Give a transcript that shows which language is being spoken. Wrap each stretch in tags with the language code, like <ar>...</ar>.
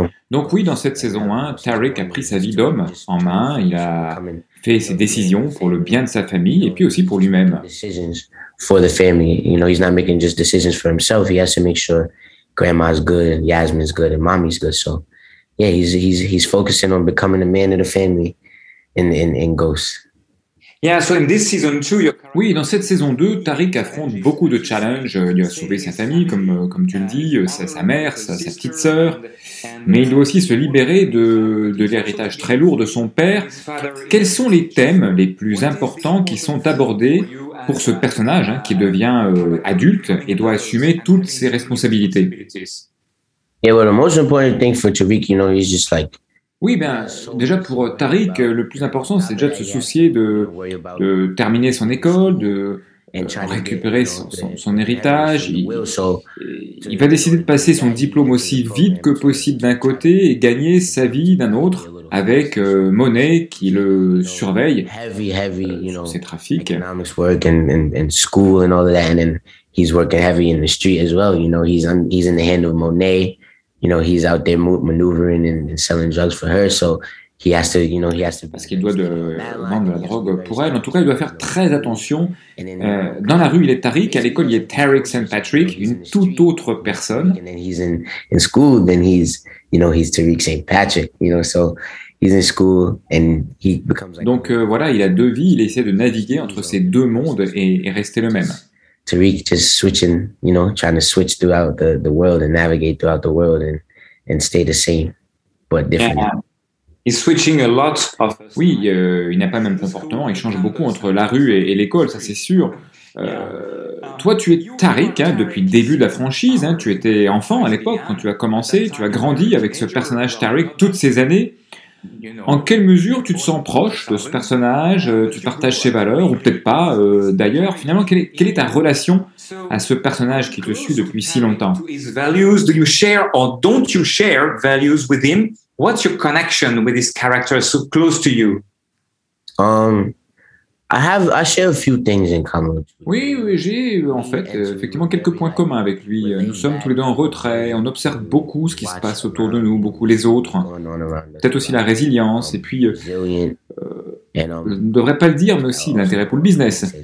<fr>Donc oui, dans cette saison 1, Tarek a pris sa vie d'homme en main. Il a fait ses décisions pour le bien de sa famille et puis aussi pour lui-même.</fr> <en>For the family, you know, he's not making just decisions for himself. He has to make sure grandma's good, and Yasmin's good, and mommy's good. So, yeah, he's focusing on becoming the man of the family in Ghost. Yeah, so in this season two,</en> <fr>oui, dans cette saison 2, Tarek affronte beaucoup de challenges. Il doit sauver sa famille, comme tu le dis, sa mère, sa petite sœur. Mais il doit aussi se libérer de l'héritage très lourd de son père. Quels sont les thèmes les plus importants qui sont abordés pour ce personnage hein, qui devient adulte et doit assumer toutes ses responsabilités?</fr> <en>Yeah, well, the most important thing for Tarek, you know, is just like...</en> <fr>Oui, ben, déjà pour Tarek, le plus important, c'est déjà de se soucier de terminer son école, de récupérer son héritage. Il va décider de passer son diplôme aussi vite que possible d'un côté et gagner sa vie d'un autre avec Monet qui le surveille sur ses trafics.</fr> <en>School and all that, and he's working heavy in the street as well. You know, he's in the hand of Monet. You know, he's out there maneuvering and selling drugs for her, so he has to, you know, he has to.</en> <fr>Parce qu'il doit vendre la drogue pour elle. En tout cas, il doit faire très attention. Dans la rue, il est Tarek. À l'école, il est Tarek St. Patrick, une toute autre personne.</fr> <en>And then he's in school. Then he's, you know, he's Tarek St. Patrick. You know, so he's in school and he becomes. Like</en> <fr>donc voilà, il a deux vies. Il essaie de naviguer entre ces deux mondes et rester le même.</fr> <en>Tarek just switching, you know, trying to switch throughout the world and navigate throughout the world and stay the same, but different. Yeah. He's switching a lot of.</en> <fr>Oui, il n'a pas le même comportement. Il change beaucoup entre la rue et l'école, ça c'est sûr. Toi, tu es Tarek hein, depuis le début de la franchise. Hein. Tu étais enfant à l'époque quand tu as commencé. Tu as grandi avec ce personnage Tarek toutes ces années. En quelle mesure tu te sens proche de ce personnage, tu partages ses valeurs ou peut-être pas d'ailleurs, finalement quelle est ta relation à ce personnage qui te suit depuis si longtemps?</fr> <en>Do you share or don't you share values with him? What's your connection with this character so close to you? I share a few things in common.</en> <fr>Oui, j'ai en fait effectivement quelques points communs avec lui. Nous sommes tous les deux en retrait, on observe beaucoup ce qui se passe autour de nous, beaucoup les autres. Peut-être aussi la résilience et puis je ne devrais pas le dire mais aussi l'intérêt pour le business.</fr>